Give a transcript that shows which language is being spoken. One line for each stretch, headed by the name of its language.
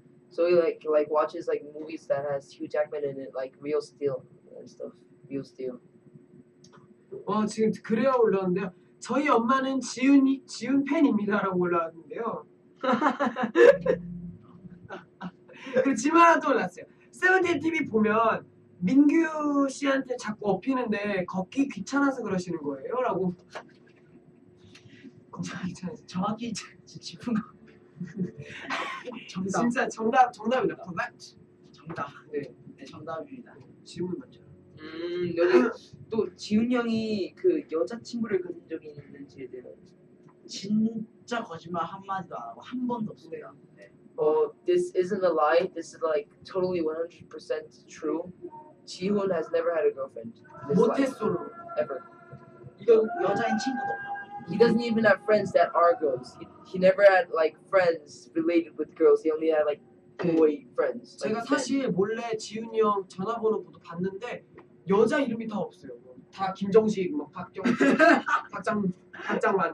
English: So he watches like movies that has Hugh Jackman in it, like Real Steel and stuff. Real Steel.
Korean: 어 지금 그래야 올라왔는데요. 저희 엄마는 지훈 팬입니다라고 올라왔는데요. 그 질문도 올랐어요. 세븐틴 TV 보면 민규 씨한테 자꾸 업히는데 걷기 귀찮아서 그러시는 거예요라고. 귀찮아서 정확히 짚은 거. 정답. 진짜 정답입니다. 정답. 네. 네 정답입니다. 질문 먼저. 여기 또 지훈 형이 그 여자 친구를 가진 적이 있는지에 대해서 진짜 거짓말 한 마디도 안 하고 한 번도 없어요. 네.
English: Oh, this isn't a lie. This is like totally 100% true. Jihoon has never had a girlfriend.
Korean: 못했어.
English: Ever.
Korean: 여자인 친구도 없고.
English: He doesn't even have friends that are girls. He never had like friends related with girls. He only had like boy friends.
Korean: 제가 사실 몰래 지훈이 형 전화번호부터 봤는데 여자 이름이 다 없어요. 다 김정식, 막 박정식, 박장만,